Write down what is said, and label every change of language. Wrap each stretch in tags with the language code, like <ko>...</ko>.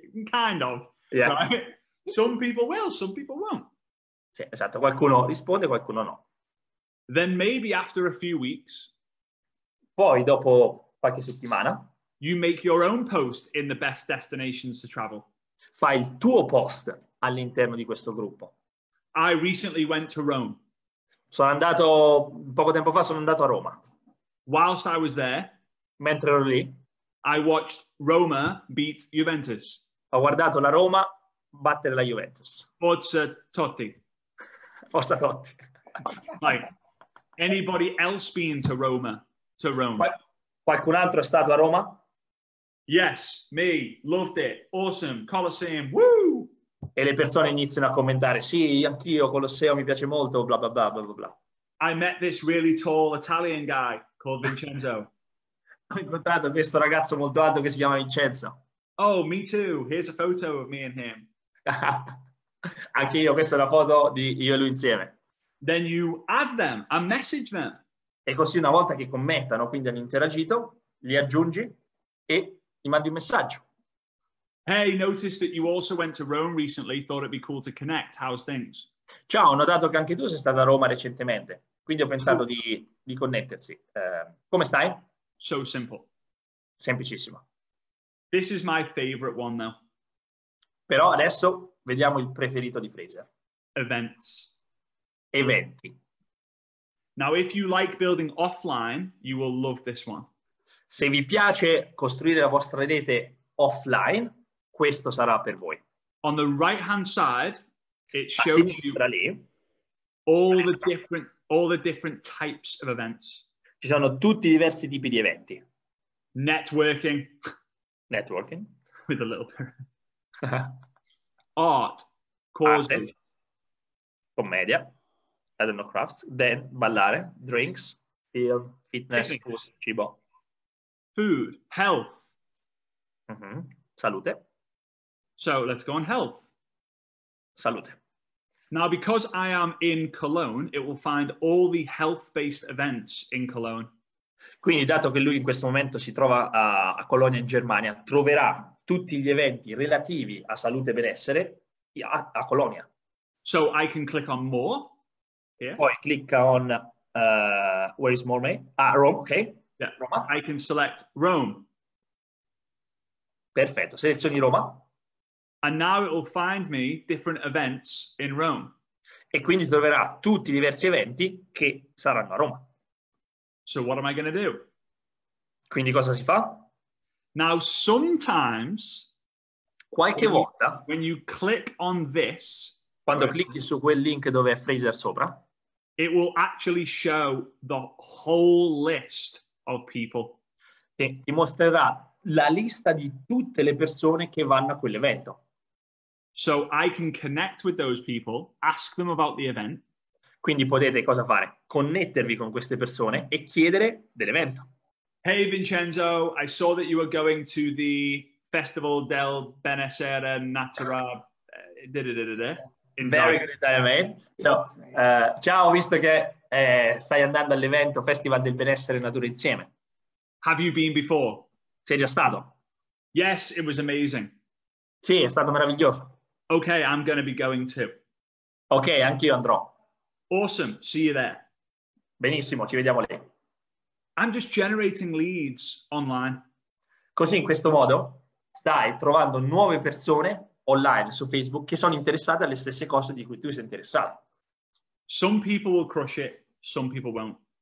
<en>Kind of. Yeah. Right? Some people will, some people won't.</en> <it>Sì, esatto. Qualcuno risponde, qualcuno no.</it> <en>Then maybe after a few weeks.</en> <it>Poi dopo qualche settimana.</it> <en>You make your own post in the best destinations to travel.</en> <it>Fai il tuo post all'interno di questo gruppo.</it> <en>I recently went to Rome.</en> <it>Sono andato poco tempo fa. Sono andato a Roma.</it> <en>Whilst I was there.</en> <it>Mentre ero lì.</it> <en>I watched Roma beat Juventus.</en> <it>Ho guardato la Roma battere la Juventus. Forza Totti. Forza Totti.</it> <en>Like, anybody else been to Roma? To Rome.</en> <it>Qualcun altro è stato a Roma?</it> <en>Yes, me. Loved it. Awesome. Colosseum. Woo!</en> <it>E le persone iniziano a commentare. Sì, anch'io, Colosseo, mi piace molto. Bla, bla, bla, bla, bla.</it> <en>I met this really tall Italian guy called Vincenzo.</en> <it>Ho incontrato questo ragazzo molto alto che si chiama Vincenzo.</it> <en>Oh, me too. Here's a photo of me and him.</en> <it>Anche io, questa è la foto di io e lui insieme.</it> <en>Then you add them and message them.</en> <it>E così una volta che commentano, quindi hanno interagito, li aggiungi e gli mandi un messaggio.</it> <en>Hey, noticed that you also went to Rome recently. Thought it'd be cool to connect. How's things?</en> <it>Ciao, ho notato che anche tu sei stato a Roma recentemente. Quindi ho pensato di connettersi. Come stai?</it> <en>So simple.</en> <it>Semplicissimo.</it> <en>This is my favorite one now.</en> <it>Però adesso vediamo il preferito di Fraser.</it> <en>Events.</en> <it>Eventi.</it> <en>Now if you like building offline, you will love this one.</en> <it>Se vi piace costruire la vostra rete offline, questo sarà per voi.</it> <en>On the right hand side, it shows you all the different types of events.</en> <it>Ci sono tutti i diversi tipi di eventi.</it> <en>Networking. Networking. With a little art. Causes.</en> <it>Arte. Commedia.</it> <en>I don't know, crafts. Then,</en> <it>ballare.</it> <en>Drinks. Film. Fitness. Food.</en> <it>Cibo.</it> <en>Food. Health.</en> <it>Mm-hmm. Salute.</it> <en>So, let's go on health.</en> <it>Salute.</it> <en>Now, because I am in Cologne, it will find all the health-based events in Cologne.</en> <it>Quindi, dato che lui in questo momento si trova a Colonia in Germania, troverà tutti gli eventi relativi a salute e benessere a Colonia.</it> <en>So, I can click on more. Here.</en> <it>Poi, clicca</it> <en>on where is more me? Ah, Rome, ok. Yeah. Roma. I can select Rome.</en> <it>Perfetto, selezioni Roma.</it> <en>And now it will find me different events in Rome.</en> <it>E quindi troverà tutti i diversi eventi che saranno a Roma.</it> <en>So what am I going to do?</en> <it>Quindi cosa si fa?</it> <en>Now sometimes,</en> <it>qualche volta,</it> <en>when you click on this,</en> <it>quando clicchi su quel link dove è Fraser sopra,</it> <en>it will actually show the whole list of people.</en> <it>Ti mostrerà la lista di tutte le persone che vanno a quell'evento.</it> <en>So I can connect with those people, ask them about the event.</en> <it>Quindi potete cosa fare? Connettervi con queste persone e chiedere dell'evento.</it> <en>Hey Vincenzo, I saw that you were going to the Festival del Benessere Natura. Very good Italian, mate.</en> <it>So, ciao, ho visto che stai andando all'evento Festival del Benessere Natura Insieme.</it> <en>Have you been before?</en> <it>Sei già stato?</it> <en>Yes, it was amazing.</en> <it>Sì, è stato meraviglioso.</it> <en>Okay, I'm going to be going too.</en> <it>Okay, anch'io andrò.</it> <en>Awesome, see you there.</en> <it>Benissimo, ci vediamo lì.</it> <en>I'm just generating leads online.</en> <it>Così, in questo modo, stai trovando nuove persone online su Facebook che sono interessate alle stesse cose di cui tu sei interessato.</it> <en>Some people will crush it, some people won't.</en>